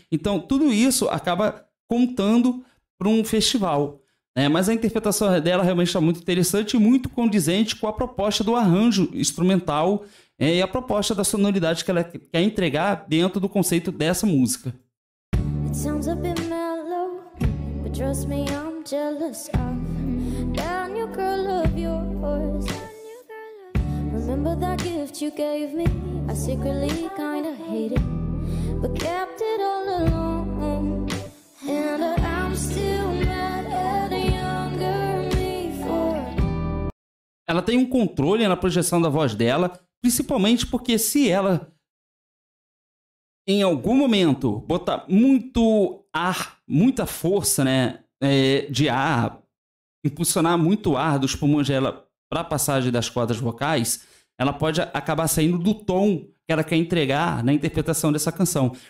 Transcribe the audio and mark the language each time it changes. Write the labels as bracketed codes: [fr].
[pt] Então, tudo isso acaba contando para um festival, né? Mas a interpretação dela realmente está muito interessante e muito condizente com a proposta do arranjo instrumental, e a proposta da sonoridade que ela quer entregar dentro do conceito dessa música. [en] It sounds a bit mellow, but trust me, I'm jealous of that new girl of yours. Remember that gift you gave me? I secretly kinda hate it, but kept it all along. And I'm still mad at a younger me for. [pt] Ela tem um controle na projeção da voz dela, principalmente porque se ela em algum momento botar muito ar, muita força, né, de ar, impulsionar muito ar dos pulmões dela para a passagem das cordas vocais, ela pode acabar saindo do tom que ela quer entregar na interpretação dessa canção.